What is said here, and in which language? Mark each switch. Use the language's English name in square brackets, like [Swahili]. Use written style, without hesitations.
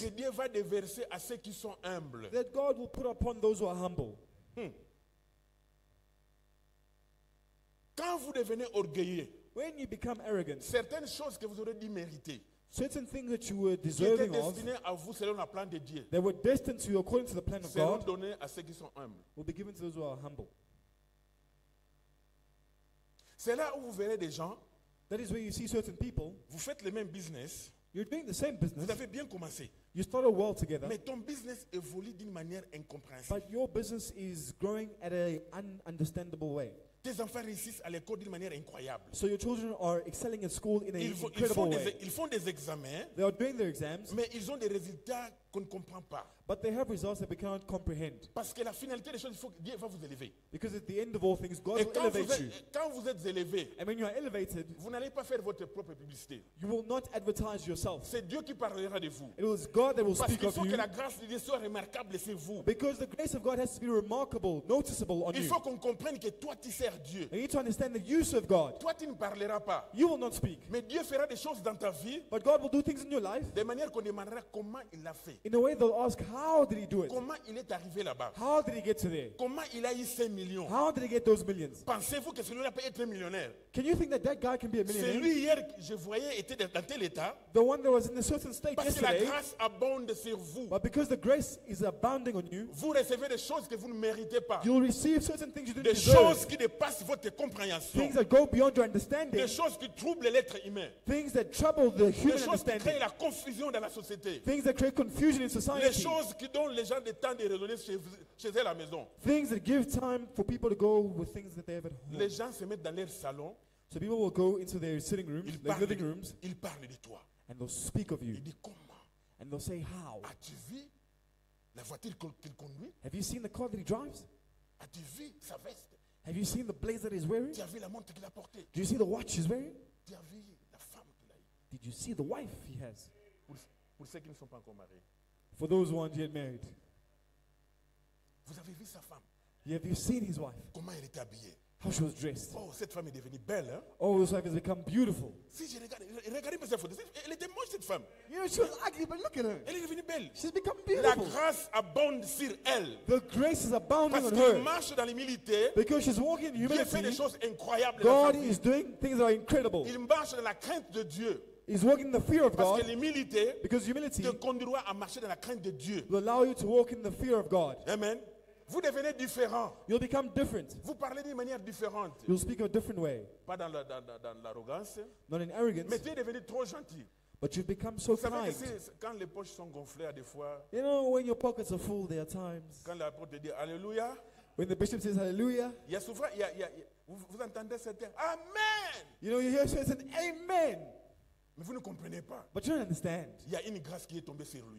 [French] Que Dieu va déverser à ceux qui sont humbles. [English] That God will put upon those who are humble. [French] Quand vous devenez orgueilleux, [English] when you become arrogant, [French] certaines choses que vous aurez dû mériter. [English] Certain things that you were deserving of, [French] à vous selon la plan de Dieu, [English] they were destined to you according to the plan of God, [French] donné à ceux qui sont humbles, [English] will be given to those who are humble. [French] C'est là où vous verrez des gens, [English] that is where you see certain people. [French] Vous faites le même business, [English] you're doing the same business. [French] Vous avez bien commencé, [English] you started well together. [French] Mais ton business évolue d'une manière incompréhensible. [English] But your business is growing at an ununderstandable way. [French] Tes enfants réussissent à l'école d'une manière incroyable. [English] So your children are excelling at school in an incredible way. [French] Ils font des examens. [English] They are doing their exams. [French] Mais ils ont des résultats qu'on ne comprend pas. [English] But they have results that we cannot comprehend. [French] Parce que la finalité des choses, Dieu va vous élever. [English] Because at the end of all things, God will elevate you. [French] Quand vous êtes élevé, [English] and when you are elevated, [French] vous n'allez pas faire votre propre publicité. [English] You will not advertise yourself. [French] C'est Dieu qui parlera de vous. [English] It is God that will speak of you. [French] Parce qu'il faut que la grâce de Dieu soit remarquable sur vous. [English] Because the grace of God has to be remarkable, noticeable on you. [French] Il faut qu'on comprenne que toi tu sers Dieu. [English] You need to understand that you serve God. [French] Toi tu ne parleras pas. [English] You will not speak. [French] Mais Dieu fera des choses dans ta vie. [English] But God will do things in your life. [French] De manière qu'on demandera comment il l'a fait. [English] In a way they'll ask, how did he do it? [French] Comment il est arrivé là-bas? [English] How did he get to there? [French] Comment il a eu 5 millions? [English] How did he get those millions? [French] Pensez-vous que celui-là peut être millionnaire? [English] Can you think that that guy can be a millionaire? [French] Celui hier je voyais était dans tel état. [English] The one that was in a certain state [French] parce [English] yesterday. [French] Parce que la grâce abonde sur vous. [English] But because the grace is abounding on you. [French] Vous recevez des choses que vous ne méritez pas. [English] You'll receive certain things you didn't deserve. [French] Des choses qui dépassent votre compréhension. [English] Things that go beyond your understanding. [French] Des choses qui troublent l'être humain. [English] Things that trouble the human [French] des choses [English] understanding. [French] Qui créent la confusion dans la société. [English] Things that create confusion in society. [French] Les choses qui donnent les gens le temps de raisonner chez eux à la maison. [English] Things that give time for people to go with things that they have at home. [French] Les gens se mettent dans leur salon. [English] So people will go into their sitting rooms, [French] ils [English] their [French] parlent, [English] living rooms. [French] Ils parlent de toi. [English] And they'll speak of you. [French] Ils disent comment? [English] And they'll say how? [French] As-tu vu la voiture qu'il conduit? [English] Have you seen the car that he drives? [French] As-tu vu sa veste? [English] Have you seen the blazer he's wearing? [French] Tu as vu la montre qu'il a portée? [English] Do you see the watch he's wearing? [French] Tu as vu la femme qu'il a eu? [English] Did you see the wife he has? [French] Pour ceux qui ne sont pas encore mariés. [English] For those who aren't yet married. [French] Vous avez vu sa femme? [English] Have you seen his wife? [French] Comment elle est habillée? [English] How she was dressed. [French] Oh, cette femme est devenue belle, hein? [English] Oh, this wife has become beautiful. [French] Si, je regarde pas sa photo. Elle était moche, cette femme. [English] You know, she was ugly, but look at her. [French] Elle est devenue belle. [English] She's become beautiful. [French] La grâce abonde sur elle. [English] The grace is abounding [French] parce [English] on her. [French] Parce qu'elle marche dans l'humilité. [English] Because she's walking in humility. [French] Dieu fait des choses incroyables. [English] God is doing things that are incredible. [French] Il marche dans la crainte de Dieu. [English] He's walking in the fear of God. [French] Parce que l'humilité, [English] because humility, [French] te conduira à marcher dans la crainte de Dieu. [English] Will allow you to walk in the fear of God. [French] Amen. Vous devenez différent. [English] You'll become different. [French] Vous parlez d'une manière différente. [English] You'll speak a different way. [French] Pas dans l'arrogance. [English] Not in arrogance. [French] Mais tu es devenu trop gentil. [English] But you've become so kind. [French] Vous savez que quand les poches sont gonflées à des fois. [English] You know when your pockets are full, there are times. [French] Quand la porte dit alléluia. [English] When the bishop says hallelujah. [French] Il y a souvent, vous entendez certains amen. [English] You know you hear certain amen. [French] Mais vous ne comprenez pas. [English] But you don't understand. [French] Il y a une grâce qui est tombée sur lui.